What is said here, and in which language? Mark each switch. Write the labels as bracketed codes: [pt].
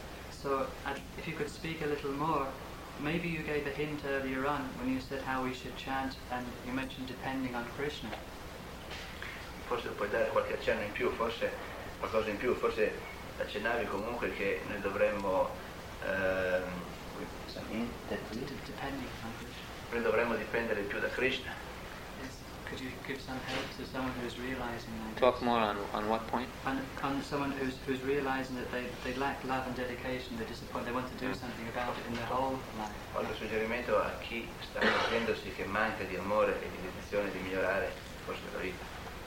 [en] So, if you could speak a little more, maybe you gave a hint earlier on when you said how we should chant, and you mentioned depending on Krishna. [it] Forse puoi dare qualche accenno in più, forse qualcosa in più, forse accennavi comunque che noi dovremmo dipendere più da Krishna. [en] Could you give some help to someone who is realizing that? Talk more on what point? On someone who's realizing that they lack love and dedication, they're disappointed, they want to do something about it in their whole life. [it] Qualche suggerimento a chi sta rendendosi che manca di amore e di dedizione di migliorare forse la vita.